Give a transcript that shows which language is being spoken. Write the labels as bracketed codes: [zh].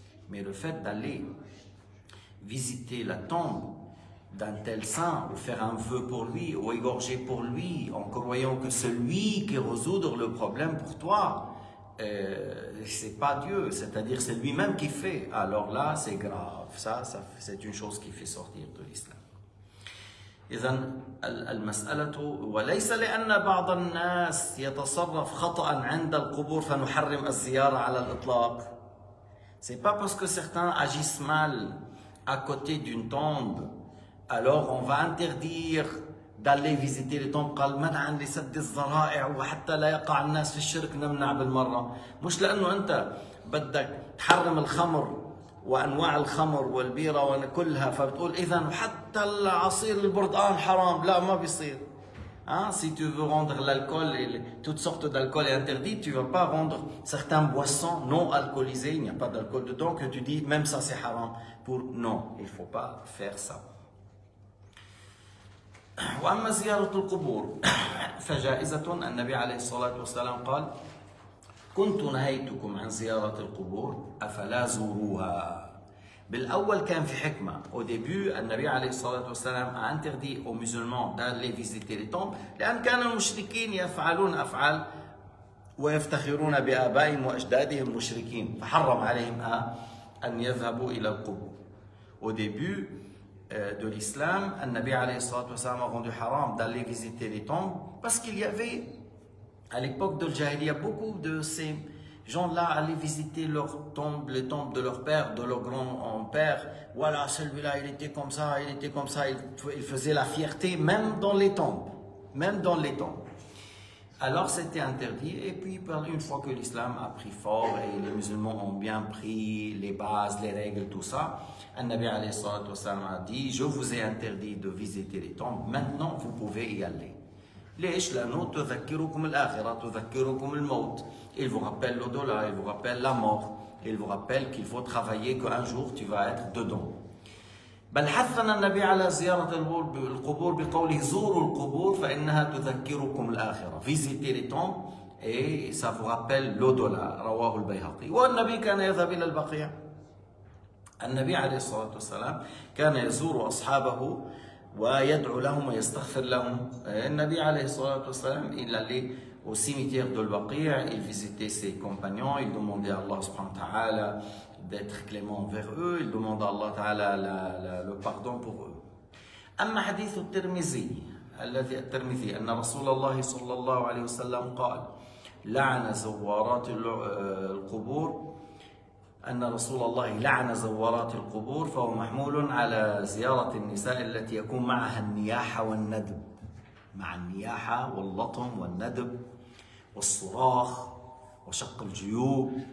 [fr] Mais le fait d'aller visiter la tombe d'un tel saint, ou faire un vœu pour lui, ou égorger pour lui, en croyant que celui qui résoudre le problème pour toi, c'est pas Dieu, c'est-à-dire c'est lui-même qui fait. Alors là, c'est grave. Ça c'est une chose qui fait sortir de l'islam. [ar] إذن المسألة وليس لأن بعض الناس يتصرف خطأ عند القبور فنحرم الزيارة على الإطلاق. [fr] C'est pas parce que certains agissent mal à côté d'une tombe, alors on va interdire d'aller visiter les tombes. [ar] قال منعا لسد الذرائع وحتى لا يقع الناس في الشرك نمنع بالمرة. مش لأنه أنت بدك تحرم الخمر وأنواع الخمر والبيرة وكلها، فبتقول إذن حتى العصير البرتقال حرام. لا، ما بيصير. [fr] Si tu veux rendre l'alcool et toutes sortes d'alcool est interdit, tu vas pas rendre certaines boissons non alcoolisées. Il n'y a pas d'alcool dedans que tu dis même ça c'est haram. Pour non, il faut pas faire ça. [ar] وأما زيارة القبور فجائزة. النبي عليه الصلاة والسلام قال كنت نهيتكم عن زيارة القبور أفلا زوروها. بالأول كان في حكمة. [fr] Au début, [ar] النبي عليه الصلاة والسلام [fr] a interdit aux musulmans d'aller visiter les tombes, [ar] لأن كان المشركين يفعلون أفعال ويفتخرون بآبائهم وأجدادهم مشركين، فحرم عليهم أن يذهبوا إلى القبور. [fr] Au début de l'islam, [ar] النبي عليه الصلاة والسلام [fr] a rendu haram d'aller visiter les tombes parce qu'il y avait à l'époque de l'Jahiliya, beaucoup de ces gens-là allaient visiter leur tombe, les tombes de leur père, de leur grand-père. Voilà, celui-là, il était comme ça, il était comme ça. Il faisait la fierté, même dans les tombes. Même dans les tombes. Alors, c'était interdit. Et puis, une fois que l'islam a pris fort et les musulmans ont bien pris les bases, les règles, tout ça, [ar] Annabi alayhi salatu wasalam [fr] a dit, je vous ai interdit de visiter les tombes. Maintenant, vous pouvez y aller. [ar] ليش؟ لأنه تذكركم الآخرة، تذكركم الموت. [fr] Il vous rappelle l'au-delà, il vous rappelle la mort. Il vous rappelle qu'il faut travailler, qu'un jour tu vas être dedans. [ar] بل حثنا النبي على زيارة القبور بقوله زوروا القبور فإنها تذكركم الآخرة. [fr] Visitez les tombes et ça vous rappelle l'au-delà. [ar] رواه البيهقي. والنبي كان يذهب إلى البقيع. النبي عليه الصلاة والسلام كان يزور أصحابه ويدعو لهم ويستغفر لهم. النبي عليه الصلاة والسلام [fr] il allait au cimetière de Al-Baqi', il visitait ses compagnons, il demandait à Allah [ar] سبحانه وتعالى [fr] d'être clément envers eux, il demandait à Allah تعالى le pardon pour eux. [ar] أما حديث الترمذي الذي الترمذي أن رسول الله صلى الله عليه وسلم قال لعن زوارات القبور أن رسول الله لعن زوارات القبور فهو محمول على زيارة النساء التي يكون معها النياحة والندب، مع النياحة واللطم والندب والصراخ وشق الجيوب.